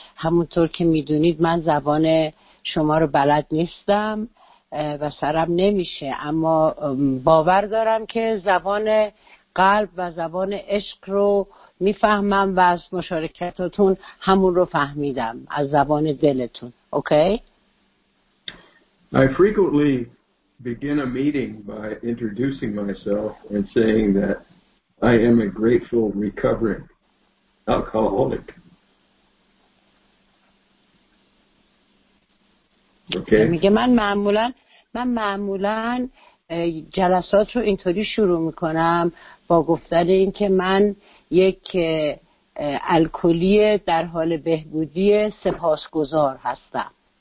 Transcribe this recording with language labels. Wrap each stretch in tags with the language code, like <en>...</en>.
<fa>همونطور که میدونید من زبان شما رو بلد نیستم و سرم نمیشه، اما باور دارم که زبان قلب و زبان عشق رو میفهمم و از مشارکتتون همون رو فهمیدم از زبان دلتون. اوکی؟</fa> <en>I frequently begin a meeting by introducing myself and saying that I am a grateful recovering alcoholic. Okay.</en> <fa>میگه من معمولاً جلسات رو اینطوری شروع میکنم با گفتن این که من یک الکلی در حال بهبودی سپاسگزار هستم.</fa>